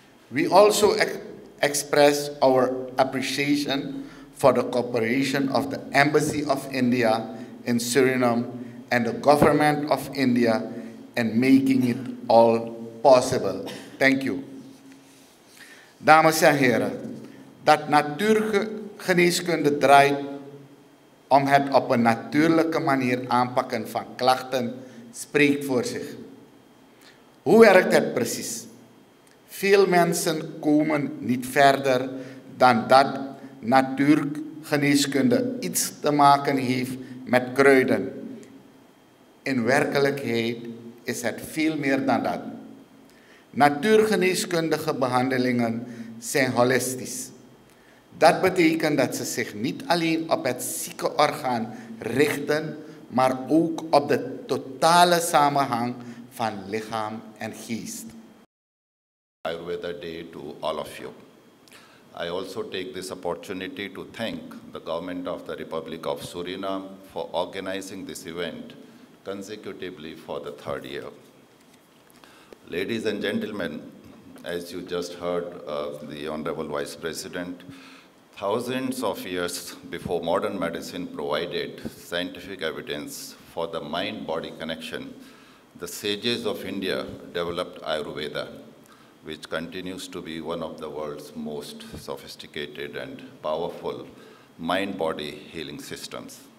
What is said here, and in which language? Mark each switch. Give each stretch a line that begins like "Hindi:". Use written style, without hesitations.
English: We also express our appreciation for the cooperation of the Embassy of India in Suriname and the Government of India in making it all possible. Thank you.
Dutch: Dames en heren, dat natuurgeneeskunde draait om het op een natuurlijke manier aanpakken van klachten, spreekt voor zich. Hoe werkt het precies? Veel mensen komen niet verder dan dat natuurgeneeskunde iets te maken heeft met kruiden. In werkelijkheid is het veel meer dan dat. Natuurgeneeskundige behandelingen zijn holistisch. Dat betekent dat ze zich niet alleen op het zieke orgaan richten, maar ook op de totale samenhang van lichaam en geest.
English: Ayurveda Day to all of you. I also take this opportunity to thank the government of the Republic of Suriname for organizing this event consecutively for the third year. Ladies and gentlemen, as you just heard the Honorable Vice President, thousands of years before modern medicine provided scientific evidence for the mind-body connection, the sages of India developed Ayurveda, which continues to be one of the world's most sophisticated and powerful mind-body healing systems.